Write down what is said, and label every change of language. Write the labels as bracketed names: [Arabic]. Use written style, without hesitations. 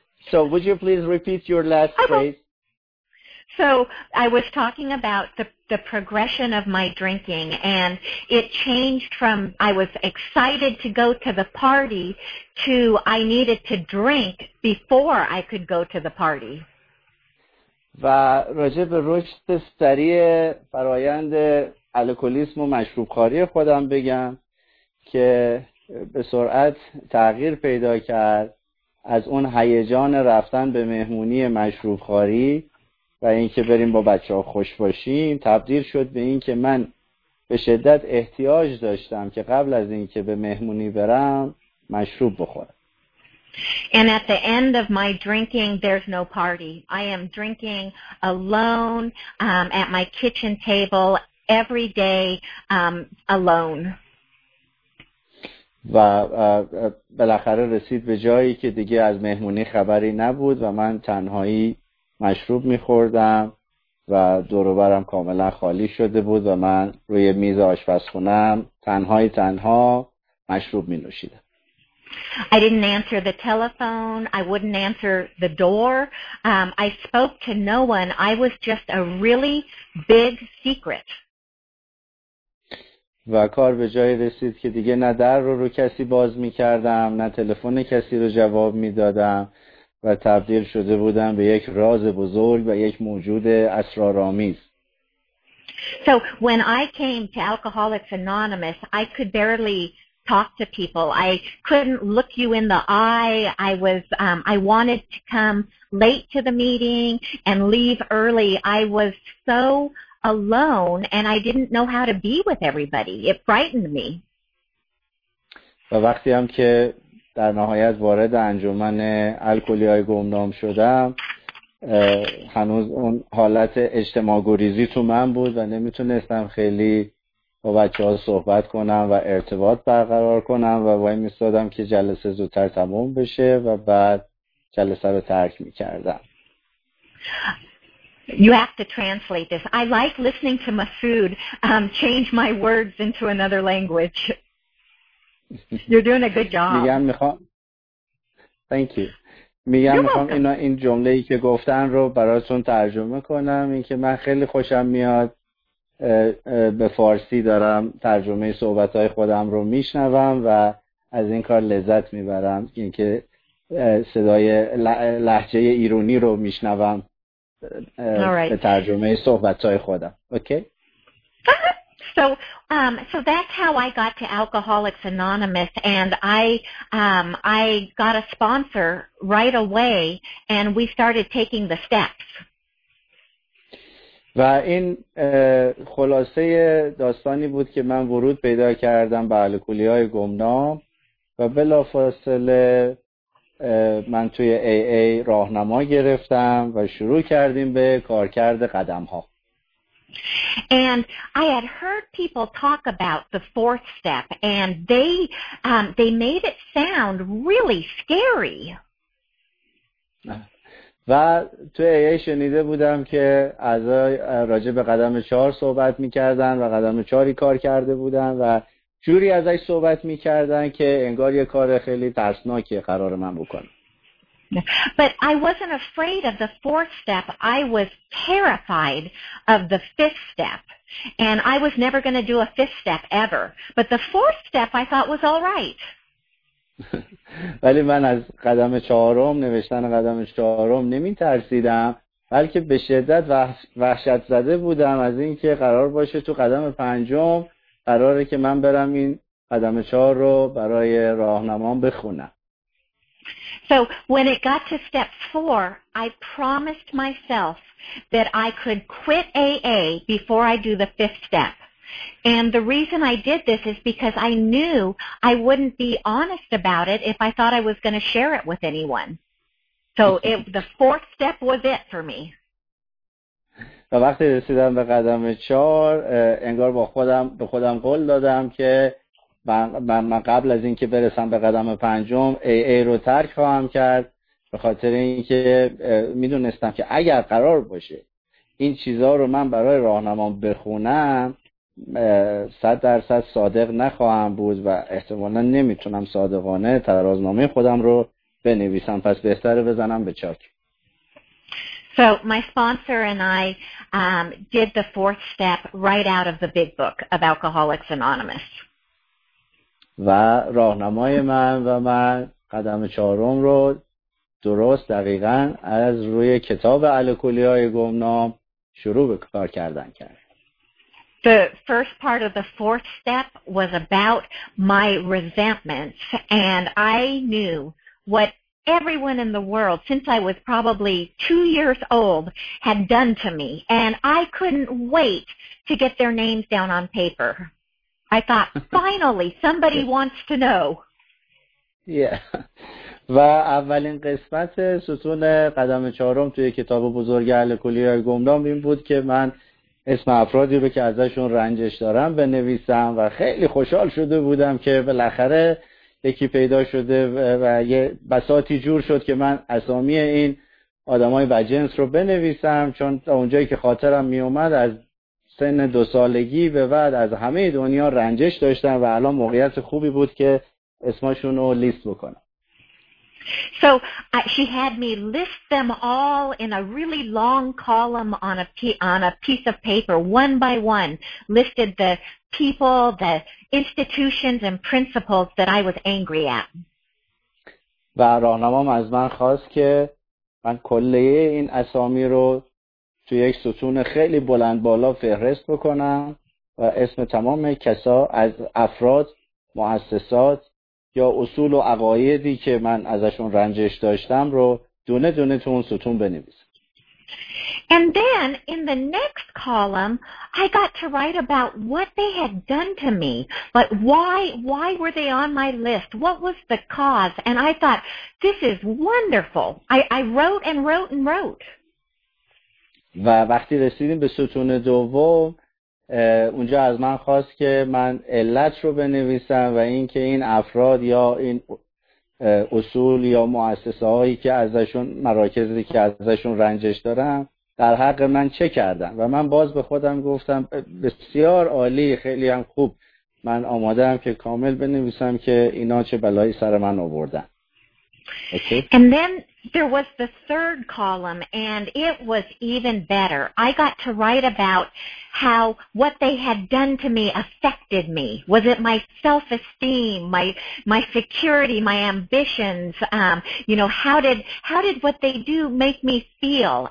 [English] So would you please repeat your last phrase? So I was talking about the progression of my drinking, and it changed from I was excited to go to the party to I needed to drink before I could go to the party. [Persian] و راجع به رشد سریع فرایند الکلیسم و مشروب‌خواری خودم بگم که به سرعت تغییر پیدا کرد از اون هیجان رفتن به مهمونی مشروب خاری و اینکه بریم با بچه ها خوش باشیم, تبدیل شد به این که من به شدت احتیاج داشتم که قبل از اینکه به مهمونی برم مشروب بخورم. [English] And at the end of my drinking there's no party. I am drinking alone at my kitchen table every day alone. [Persian] و بالاخره رسید به جایی که دیگه از مهمونی خبری نبود و من تنهایی مشروب میخوردم و دوروبرم کاملا خالی شده بود و من روی میز آشپزخونم تنهایی تنها مشروب مینوشیدم. [English] I didn't answer the telephone. I wouldn't answer the door. I spoke to no one. I was just a really big secret. [Persian] و کار به جایی رسید که دیگه نه در رو کسی باز می کردم، نه تلفن کسی رو جواب می دادم و تبدیل شده بودم به یک راز بزرگ و یک موجود اسرارآمیز. [English] So when I came to Alcoholics Anonymous, I could barely talk to people. I couldn't look you in the eye. I wanted to come late to the meeting and leave early. I was so alone and I didn't know how to be with everybody. It frightened me. [Persian] و وقتی هم که در نهایت وارد انجمن الکلی‌های گمنام شدم، هنوز اون حالت اجتماع گریزی تو من بود و نمیتونستم خیلی با بچه ها صحبت کنم و ارتباط برقرار کنم و وای میستادم که جلسه زودتر تموم بشه و بعد جلسه رو ترک میکردم. [English] You have to translate this. I like listening to Masood change my words into another language. You're doing a good job. [Persian] میگم میخوام. [English] Thank you. [Persian] میگم میخوام اینا این جمله ای که گفتن رو براتون ترجمه کنم، این که من خیلی خوشم میاد به فارسی دارم ترجمه صحبت‌های خودم رو میشنوم و از این کار لذت میبرم، اینکه صدای لهجه ایرانی رو میشنوم به ترجمه صحبت‌های خودم. اوکی؟ [English] So that's how I got to Alcoholics Anonymous, and I got a sponsor right away and we started taking the steps. [Persian] و این خلاصه داستانی بود که من ورود پیدا کردم به الکلی‌های گمنام و بلافاصله من توی AA راهنما گرفتم و شروع کردیم به کارکرد قدم‌ها. [English] And I had heard people talk about the fourth step and they made it sound really scary. [Persian] و تو AA شنیده بودم که اعضا راجع به قدم چهار صحبت میکردن و قدم چهاری کار کرده بودن و جوری ازش صحبت میکردن که انگار یه کار خیلی ترسناکی قرار من بکنم. [English] But I wasn't afraid of the fourth step. I was terrified of the fifth step. And I was never going to do a fifth step ever. But the fourth step I thought was all right. [Persian] ولی من از قدم چهارم، نوشتن قدم چهارم نمی ترسیدم، بلکه به شدت وحشت زده بودم از اینکه قرار باشه تو قدم پنجم قراره که من برم این قدم چهار رو برای راهنمام بخونم. [English] So when it got to step 4, I promised myself that I could quit AA before I do the fifth step. And the reason I did this is because I knew I wouldn't be honest about it if I thought I was going to share it with anyone. So the fourth step was it for me. [Persian] و وقتی رسیدم به قدم چهار، انگار به خودم قول دادم که من قبل از اینکه برسم به قدم پنجم AA رو ترک خواهم کرد، به خاطر اینکه میدونستم که اگر قرار باشه این چیزها رو من برای راهنمام بخونم 100% صادق نخواهم بود و احتمالا نمیتونم صادقانه ترازنامه خودم رو بنویسم، پس بهتره بزنم به چاک. [English] So my sponsor and I did the fourth step right out of the big book of Alcoholics Anonymous. [Persian] و راهنمای من و من قدم چهارم رو درست دقیقاً از روی کتاب الکلی‌های گمنام شروع به کار کردن کرد. [English] The first part of the fourth step was about my resentments, and I knew what everyone in the world, since I was probably 2 years old, had done to me, and I couldn't wait to get their names down on paper. I thought, finally, somebody wants to know. Yeah. [Persian] و اولین قسمت ستون قدم چهارم توی کتاب بزرگ الکلی‌های گمنام این بود که من اسم افرادی رو که ازشون رنجش دارم بنویسم و خیلی خوشحال شده بودم که بالاخره یکی پیدا شده و یه بساطی جور شد که من اسامی این آدمای بجنس رو بنویسم، چون اونجایی که خاطرم می اومد از سن 2 سالگی به بعد از همه دنیا رنجش داشتم و الان موقعیت خوبی بود که اسمشون رو لیست بکنم. [English] So she had me list them all in a really long column on a piece of paper, one by one, listed the people, the institutions and principles that I was angry at. [Persian] و راهنمام از من خواست که من کلیه این اسامی رو توی یک ستون خیلی بلند بالا فهرست بکنم و اسم تمام کسا از افراد، مؤسسات یا اصول و عقایدی که من ازشون رنجش داشتم رو دونه دونه تو اون ستون بنویسم. [English] And then in the next column I got to write about what they had done to me, but why were they on my list? What was the cause? And I thought this is wonderful. I wrote and wrote and wrote. [Persian] و وقتی رسیدیم به ستون دوم اونجا از من خواست که من علت رو بنویسم و اینکه این افراد یا این اصول یا مؤسسه هایی که ازشون مراکزی که ازشون رنجش دارم در حق من چه کردن. و من باز به خودم گفتم بسیار عالی، خیلی هم خوب، من آمادم که کامل بنویسم که اینا چه بلایی سر من آوردن. [English] Okay. And then there was the third column, and it was even better. I got to write about how what they had done to me affected me. Was it my self-esteem, my security, my ambitions? How did what they do make me feel?